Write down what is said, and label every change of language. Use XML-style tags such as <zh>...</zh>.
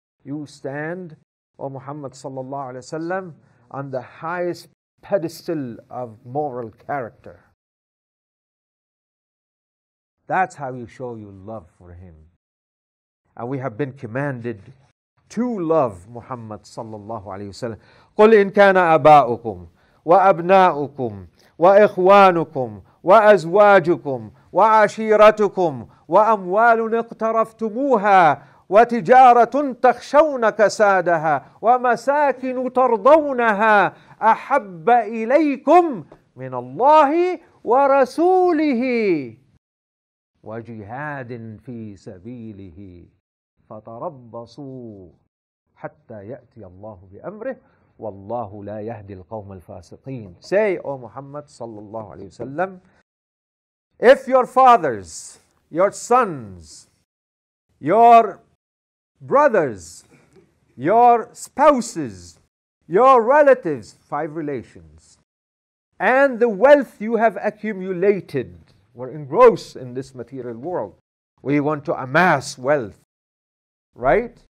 <en>You stand, O Muhammad sallallahu alaihi wasallam, on the highest pedestal of moral character. That's how you show your love for him. And we have been commanded to love Muhammad sallallahu alaihi wasallam.</en> <ar>قل إن كان أباؤكم وأبناؤكم وإخوانكم وأزواجكم وعشيرتكم وأموال اقترفتموها وتجارة تخشون كسادها ومساكن ترضونها أحب إليكم من الله ورسوله وجهاد في سبيله فتربصوا حتى يأتي الله بأمره والله لا يهدي القوم الفاسقين.</ar> <en>Say, O Muhammad صلى الله عليه وسلم, if your fathers, your sons, your brothers, your spouses, your relatives, five relations, and the wealth you have accumulated, were engrossed in this material world, we want to amass wealth. Right?</en>